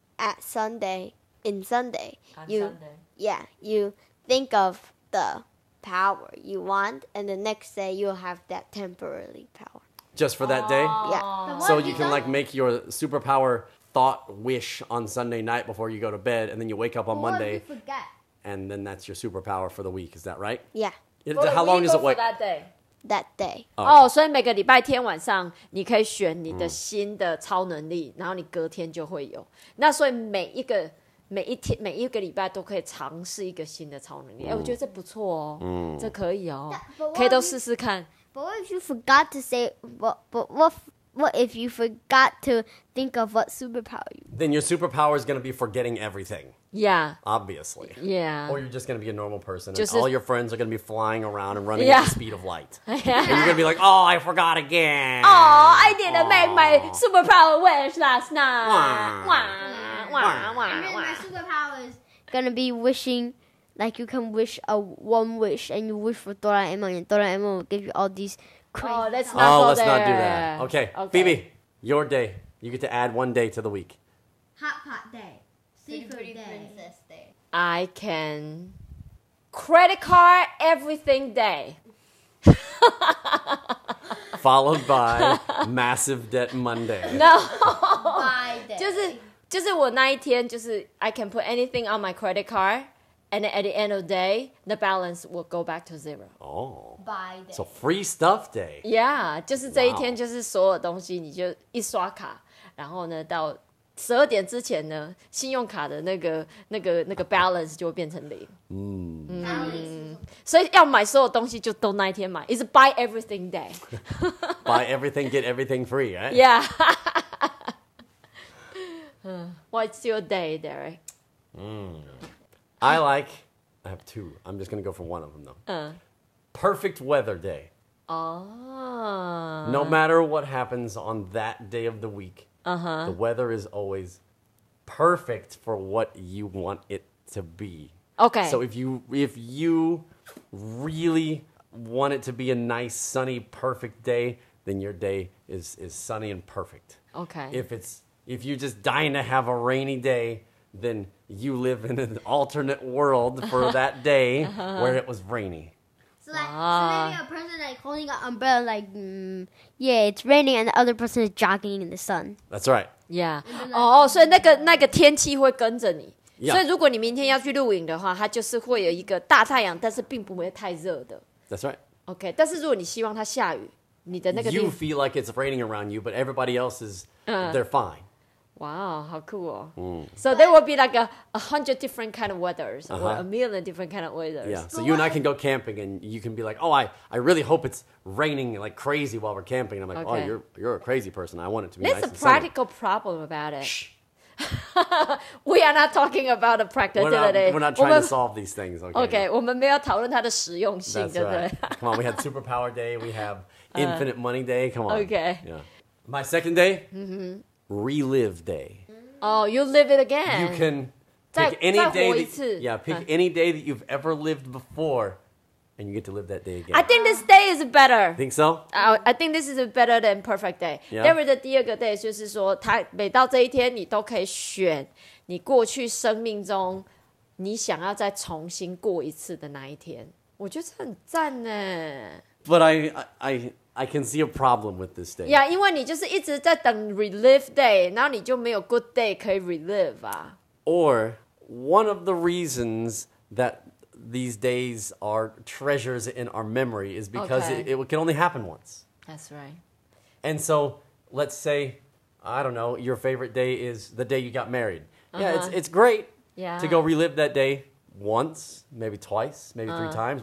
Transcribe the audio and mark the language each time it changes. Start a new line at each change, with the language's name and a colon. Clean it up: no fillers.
English: At Sunday, in Sunday, you think of the power you want, and the next day you'll have that temporary power. Just for that day? Yeah. So you can like make your superpower thought wish on Sunday night before you go to bed, and then you wake up on Monday. What if you forget? And then that's your superpower for the week, is that right? Yeah. How long does it wait? For that day. That day. Oh, so every
Chinese: 个礼拜天晚上你可以选你的新的超能力，然后你隔天就会有。那所以每一个礼拜都可以尝试一个新的超能力。哎，我觉得这不错哦。这可以哦，可以都试试看。
English: But what if you forgot to say what if you forgot to think of what superpower you? Then your superpower is going to be forgetting everything. Yeah. Obviously. Yeah. Or you're just going to be a normal person. And all your friends are going to be flying around and running at the speed of light. Yeah. And you're going to be like, oh, I forgot again. Oh, I didn't make my superpower wish last night. Wah. Wah. Wah. And then my superpower is going to be wishing... Like you can wish a one wish and you wish for Doraemon and Doraemon will give you all these crazy let's not do that. Okay. Phoebe, your day. You get to add one day to the week. Hot pot day. Secret day. Princess day. I can... Credit card everything day. Followed by massive debt Monday. No. Bye day.
Chinese: 就是我那一天就是
English: I can put anything on my credit card. And at the end of the day, the balance will go back to zero. Oh. Buy day. So free stuff day. Yeah.
Chinese: 就是这一天就是所有东西你就一刷卡然后呢到12点之前呢信用卡的那个 balance 就会变成零。所以要买所有东西就都那一天买。
English: It's buy everything day. buy everything, get everything free, right? Yeah. What's your day, Derek? I like, I have two. I'm just going to go for one of them, though. Perfect weather day. No matter what happens on that day of the week, the weather is always perfect for what you want it to be. Okay. So if you really want it to be a nice, sunny, perfect day, then your day is sunny and perfect. Okay. If you're just dying to have a rainy day... Then you live in an alternate world for that day where it was rainy. So, like, so maybe a person like holding an umbrella, like, yeah, it's raining, and the other person is jogging in the sun. That's right. Yeah. Oh, so
Chinese: 那个天气会跟着你。
English: Yeah.
Chinese: 所以如果你明天要去露营的话，它就是会有一个大太阳，但是并不会太热的。
English: That's right.
Chinese: Okay, 但是如果你希望它下雨，你的那个
English: You feel like it's raining around you, but everybody else is they're fine.
Chinese: Wow, 好酷哦。
English: So there will be like a hundred different kind of weathers, or a million different kind of weathers. Yeah. So you and I can go camping, and you can be like, oh, I really hope it's raining like crazy while we're camping. And I'm like, okay. Oh, you're a crazy person. I want it to be. There's nice a practical and sunny. Problem about it. Shh. We are not talking about the practicality. We're not trying to solve these things. Okay,
Chinese: 我们没有讨论它的实用性, 对不对?
English: That's right. Come on, we had superpower day. We have infinite money day. Come on. Okay. Yeah. My second day, relive day. Oh, you live it again. You can pick any day. Any day that you've ever lived before, and you get to live that day again. I think this day is better. Think so? I think this is better than perfect day. Yeah.
Chinese: David 的第二个day就是说, 每到这一天你都可以选你过去生命中你想要再重新过一次的那一天。我觉得很赞耶。
English: But I can see a problem with this day.
Chinese: Yeah, 因为你就是一直在等relive day, 然后你就没有good day可以relive啊。
English: Or one of the reasons that these days are treasures in our memory is because it can only happen once. That's right. And so let's say, I don't know, your favorite day is the day you got married. Uh-huh. Yeah, it's great to go relive that day once, maybe twice, maybe three times.